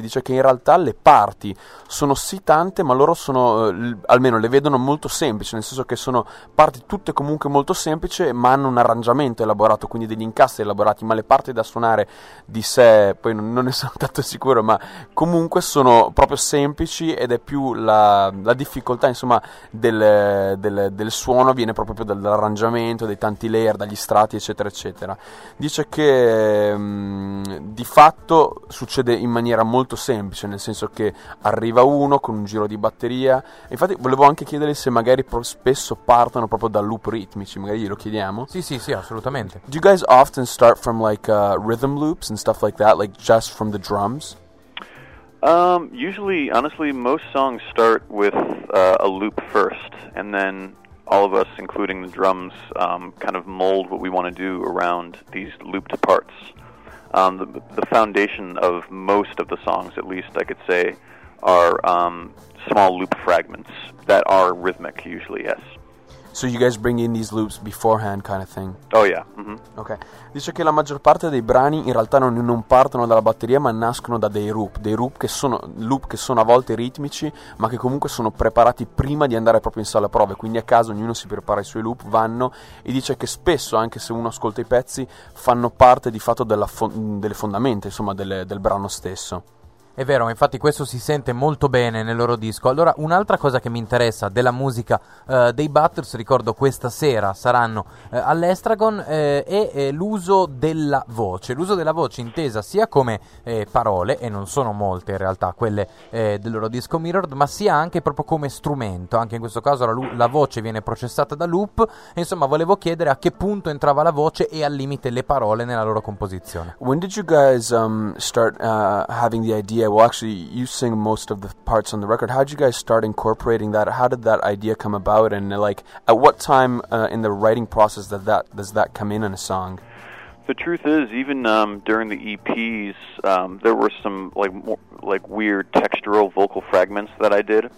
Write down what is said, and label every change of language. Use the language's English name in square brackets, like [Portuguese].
[Italian] Dice che in realtà le parti sono sì tante, ma loro sono, almeno le vedono molto semplici, nel senso che sono parti tutte comunque molto semplici, ma hanno un arrangiamento elaborato, quindi degli incastri elaborati, ma le parti da suonare di sé, poi non ne sono tanto sicuro, ma comunque sono proprio semplici, ed è più la difficoltà, insomma, del suono viene proprio dall'arrangiamento, dei tanti layer, dagli strati, eccetera eccetera. Dice che di fatto succede in maniera molto semplice, nel senso che arriva uno con un giro di batteria. Infatti volevo anche chiedere se magari spesso partono proprio da loop ritmici, magari glielo chiediamo. Sì, assolutamente. [English] Do you guys often start from like rhythm loop and stuff like that, like just from the drums? Usually, honestly, most songs start with a loop first, and then all of us, including the drums, kind of mold what we want to do around these looped parts. The foundation of most of the songs, at least I could say, are small loop fragments that are rhythmic, usually, yes. So you guys bring in these loops beforehand, kind of thing? Oh yeah. Mm-hmm. Okay. [Italian] Dice che la maggior parte dei brani in realtà non partono dalla batteria, ma nascono da dei loop che sono a volte ritmici, ma che comunque sono preparati prima di andare proprio in sala prove. Quindi a caso ognuno si prepara i suoi loop, vanno, e dice che spesso, anche se uno ascolta i pezzi, fanno parte di fatto delle fondamenta, insomma, del brano stesso. È vero, infatti questo si sente molto bene nel loro disco. Allora, un'altra cosa che mi interessa della musica dei Battles, ricordo questa sera saranno all'Estragon, è l'uso della voce. L'uso della voce intesa sia come parole, e non sono molte in realtà quelle del loro disco Mirrored, ma sia anche proprio come strumento. Anche in questo caso la voce viene processata da loop. E insomma, volevo chiedere a che punto entrava la voce e al limite le parole nella loro composizione. [English] When did you guys start having the idea? Yeah, well, actually, you sing most of the parts on the record. How did you guys start incorporating that? How did that idea come about? And, like, at what time in the writing process does that come in a song? The truth is, even during the EPs, there were some, like weird textural vocal fragments that I did.